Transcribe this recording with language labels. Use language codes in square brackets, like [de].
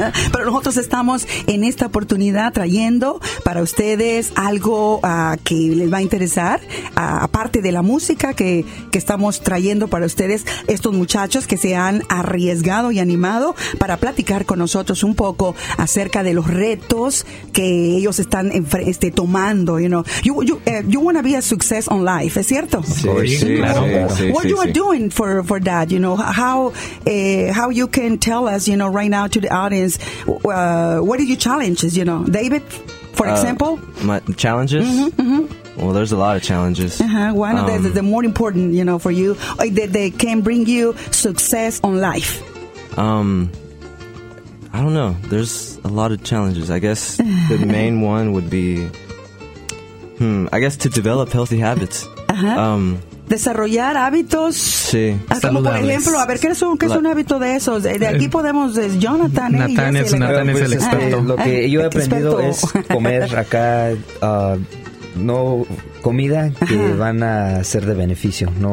[es] Pero nosotros estamos en esta oportunidad trayendo para ustedes algo que les va a interesar, aparte de la música que estamos trayendo para ustedes, estos muchachos que se han arriesgado y animado para platicar con nosotros un poco acerca de los retos que ellos están tomando. [en] You know, you want to be a success on life, [es] ¿es cierto? Sí, claro. [en] What you are doing for that, you know, how you can tell us, you know, right now to the audience, what are your challenges, you know, David, for example? My challenges? Mm-hmm. Well, there's a lot of challenges. Uh-huh. One of the more important, you know, for you, they can bring you success on life. I don't know. There's a lot of challenges. I guess the main one would be, I guess to develop healthy habits. Uh-huh. [es] Desarrollar hábitos. Sí. Como por ejemplo, a ver, ¿qué es un hábito de esos? De aquí podemos, es Jonathan. Nathan es el experto. Lo que yo he aprendido es comer acá, no comida que van a ser de beneficio, ¿no?